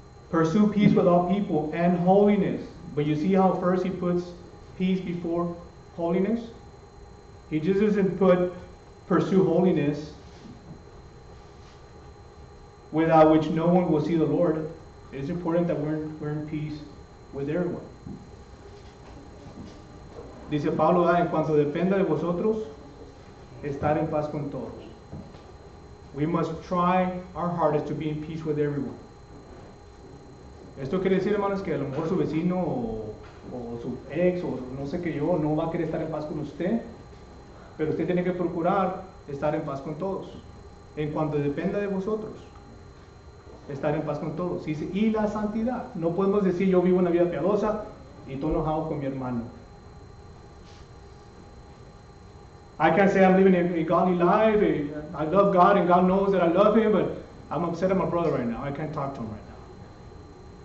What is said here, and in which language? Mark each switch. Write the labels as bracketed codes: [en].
[en] Pursue peace with all people and holiness. But you see how first he puts peace before holiness? He just doesn't put pursue holiness without which no one will see the Lord. It's important that we're in peace with everyone. [es] Dice Pablo, en cuanto dependa de vosotros, estar en paz con todos. [en] We must try our hardest to be in peace with everyone. [es] Esto quiere decir, hermanos, que a lo mejor su vecino o su ex o no sé qué yo no va a querer estar en paz con usted, pero usted tiene que procurar estar en paz con todos. En cuanto dependa de vosotros, estar en paz con todos. Y la santidad. No podemos decir yo vivo una vida piadosa y estoy enojado con mi hermano. [en] I can't say I'm living a godly life. I love God and God knows that I love Him, but I'm upset at my brother right now. I can't talk to him right now.